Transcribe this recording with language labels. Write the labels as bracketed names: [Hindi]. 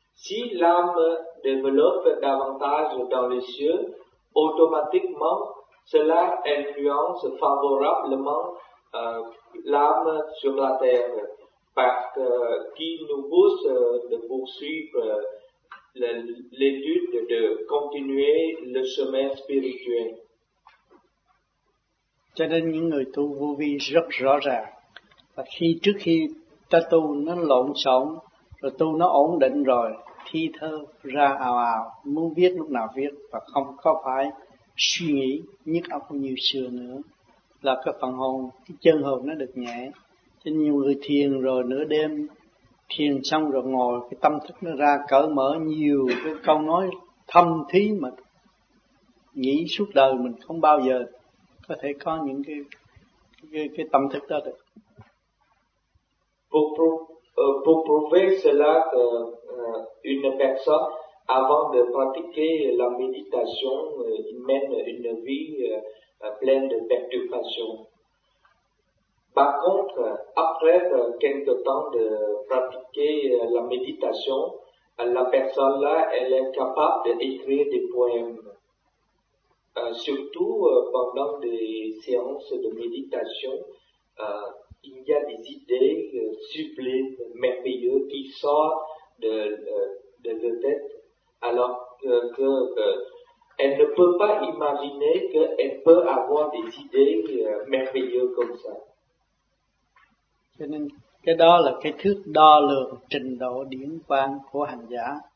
[French] Si l'âme développe davantage dans les cieux, automatiquement cela influence favorablement l'âme sur la terre, parce qui nous pousse de poursuivre l'étude, de continuer le chemin spirituel. [Vietnamese] Cho nên những người tu vô vi rất rõ ràng. Và khi trước khi ta tu nó lộn xộn, rồi tu nó ổn định rồi, thi thơ ra ào ào, muốn viết lúc nào viết, và không có phải suy nghĩ nhức óc như xưa nữa. Là cái phần hồn, cái chân hồn nó được nhẹ. Cho nhiều người thiền rồi nửa đêm, thiền xong rồi ngồi, cái tâm thức nó ra cởi mở nhiều cái câu nói thâm thí mà nghĩ suốt đời mình không bao giờ có thể có những cái tâm thức đó được. [French] Pour prouver cela, une personne, avant de pratiquer la méditation, mène une vie pleine de perturbations. Par contre, après quelque temps de pratiquer la méditation, la personne-là, elle est capable d'écrire des poèmes. Surtout pendant des séances de méditation, il y a des idées sublimes, merveilleuses, qui sortent de la tête, alors qu'elle ne peut pas imaginer qu'elle peut avoir des idées merveilleuses comme ça. [Vietnamese] Cho nên cái đó là cái thước đo lường trình độ điển quang của hành giả.